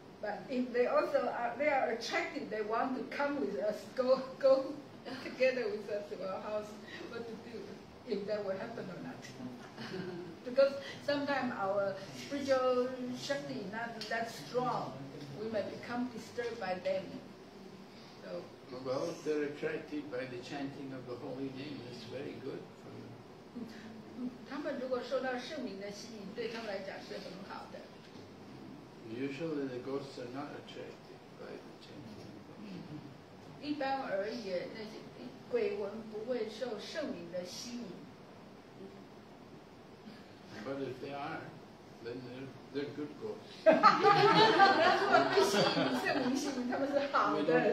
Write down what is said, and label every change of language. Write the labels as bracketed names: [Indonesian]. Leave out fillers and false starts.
[English] But if they also are attracted, they want to come with us, go together with us to our house, what to do, if that will happen or not. Because sometimes our spiritual shakti is not that strong, we might become disturbed by them. Well, if they're attracted by the chanting of the holy name, that's very good for them. [Chinese] 他们如果受到圣名的吸引，对他们来讲是很好的。 [English] Usually the ghosts are not attracted by the chanting of the holy name. [Chinese] 一般而言，那些鬼魂不会受圣名的吸引。 [English] But if they are, then they're good ghosts. [Chinese] 他们不吸引圣名，吸引他们是好的。